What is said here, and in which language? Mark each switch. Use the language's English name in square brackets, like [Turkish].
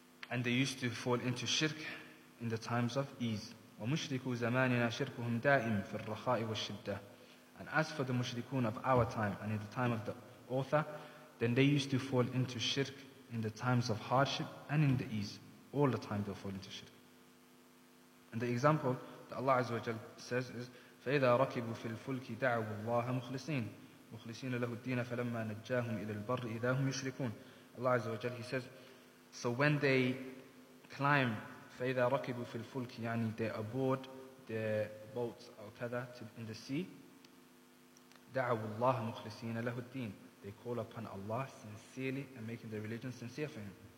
[English] And they used to fall into shirk in the times of ease. [Arabic] وَمُشْرِكُوا زَمَانِنَا شِرْكُهُمْ دَائِمٌ فِي الرَّخَاءِ وَالشِّدَّةِ, [English] and as for the mushrikun of our time and in the time of the author, then they used to fall into shirk in the times of hardship and in the ease. All the time they'll fall into shirk. And the example that Allah Azza wa Jal says is, [Arabic] فَإِذَا رَكِبُوا فِي الْفُلْكِ دَعُوا اللَّهَ مُخْلِصِينَ لَهُ الدِّينَ فَلَمَّا نَجَّاهُمْ إِلَى الْبَرِّ إِذَا هُمْ يُشْرِكُونَ. [English] Allah Azza wa Jal, he says, so when they climb, [Arabic] فَإِذَا رَكِبُوا فِي الْفُلْكِ, [English] يعني they aboard their boats or kada in the sea, [Arabic] دَعَوُ اللَّهَ مُخْلِصِينَ لَهُ الدِّينَ, [English] they call upon Allah sincerely and making their religion sincere for him.